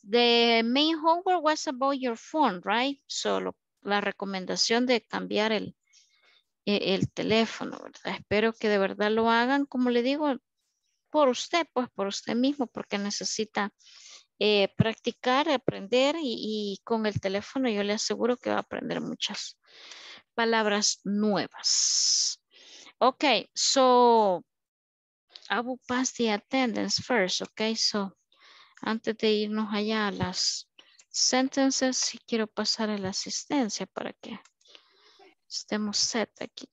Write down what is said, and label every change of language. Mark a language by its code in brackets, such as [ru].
[en] The main homework was about your phone, right? [es] So la recomendación de cambiar el teléfono, ¿verdad? Espero que de verdad lo hagan, como le digo, por usted, pues por usted mismo, porque necesita practicar, aprender, y con el teléfono yo le aseguro que va a aprender muchas palabras nuevas. [en] Okay, so I will pass the attendance first, okay? [es] So antes de irnos allá a las sentences, sí quiero pasar a la asistencia para que estemos set aquí.